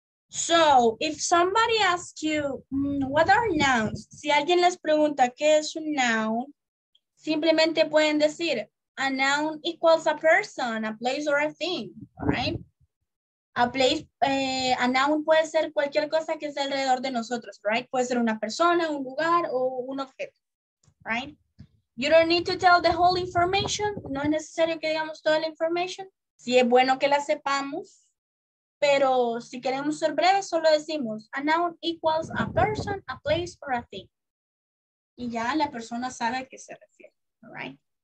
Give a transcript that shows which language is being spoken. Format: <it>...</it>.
<en>So, if somebody asks you, what are nouns?</en> <es>Si alguien les pregunta, ¿qué es un noun? Simplemente pueden decir,</es> <en>a noun equals a person, a place or a thing,</en> <es>right? A place, a noun puede ser cualquier cosa que esté alrededor de nosotros, right? Puede ser una persona, un lugar o un objeto, right?</es> <en>You don't need to tell the whole information.</en> <es>No es necesario que digamos toda la información. Sí es bueno que la sepamos, pero si queremos ser breves, solo decimos</es> <en>a noun equals a person, a place, or a thing.</en> <es>Y ya la persona sabe a qué se refiere, right?</es>